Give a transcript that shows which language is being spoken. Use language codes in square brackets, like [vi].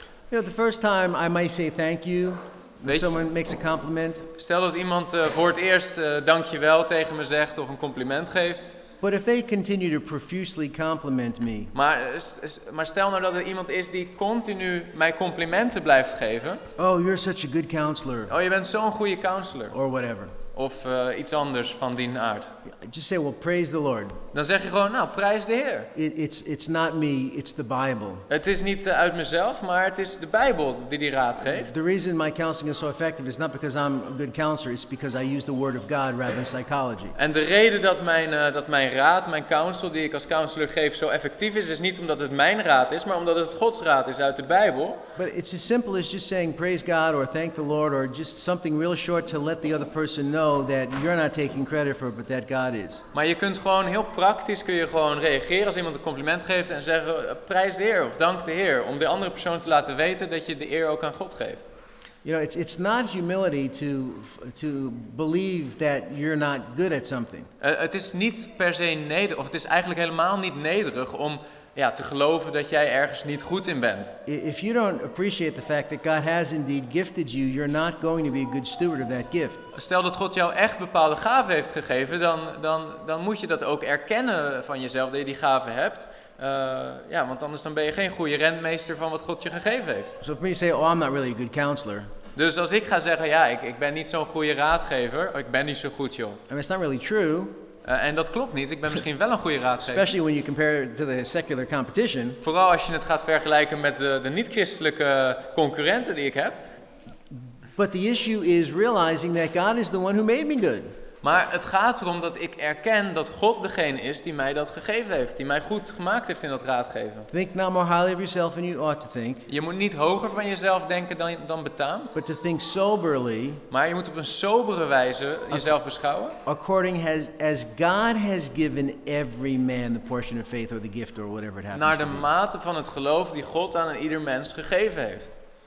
[en] You know, the first time I might say thank you. If someone makes a compliment. [nl] Stel dat iemand voor het eerst dankjewel tegen me zegt of een compliment geeft. [en] But if they continue to profusely compliment me. [nl] Maar stel nou dat er iemand is die continu mij complimenten blijft geven. [en] Oh, you're such a good counselor. [nl] Oh, je bent zo'n goede counselor. [en] Or whatever. [nl] Of iets anders van die aard. [en] Just say, well, praise the Lord. [nl] Dan zeg je gewoon, nou, prijs de Heer. [en] It's not me, it's the Bible. [nl] Het is niet uit mezelf, maar het is de Bijbel die raad geeft. [en] The reason my counseling is so effective is not because I'm a good counselor, it's because I use the word of God rather than psychology. [nl] En de reden dat mijn raad, mijn counsel die ik als counselor geef, zo effectief is niet omdat het mijn raad is, maar omdat het Gods raad is uit de Bijbel. [en] But it's as simple as just saying praise God or thank the Lord or just something real short to let the other person know that you're not taking credit for it, but that God is. [nl] Maar je kunt gewoon heel praktisch kun je gewoon reageren als iemand een compliment geeft en zeggen prijs de Heer of dank de Heer om de andere persoon te laten weten dat je de eer ook aan God geeft. [en] You know, it's not humility to believe that you're not good at something. [nl] Het is niet per se nederig, of het is eigenlijk helemaal niet nederig om te geloven dat jij ergens niet goed in bent. [en] If you don't appreciate the fact that God has indeed gifted you, you're not going to be a good steward of that gift. [nl] Stel dat God jou echt bepaalde gaven heeft gegeven, dan moet je dat ook erkennen van jezelf dat je die gaven hebt. Want anders dan ben je geen goede rentmeester van wat God je gegeven heeft. [en] So if me say, oh, I'm not really a good counselor. [nl] Dus als ik ga zeggen, ik ben niet zo'n goede raadgever, ik ben niet zo goed, joh. [en] And it's not really true. [nl] En dat klopt niet. Ik ben misschien wel een goede raadgever. [en] Especially when you compare it to the secular competition. [nl] Vooral als je het gaat vergelijken met de niet-christelijke concurrenten die ik heb. [en] But the issue is realizing that God is the one who made me good. [nl] Maar het gaat erom dat ik erken dat God degene is die mij dat gegeven heeft. Die mij goed gemaakt heeft in dat raadgeven. [en] Think not more highly of yourself than you ought to think. [nl] Je moet niet hoger van jezelf denken dan betaamt. [en] But to think soberly. [nl] Maar je moet op een sobere wijze jezelf beschouwen. [en] According as God has given every man the portion of faith or the gift or whatever it happens to be. [nl] Naar de mate van het geloof die God aan ieder mens gegeven heeft.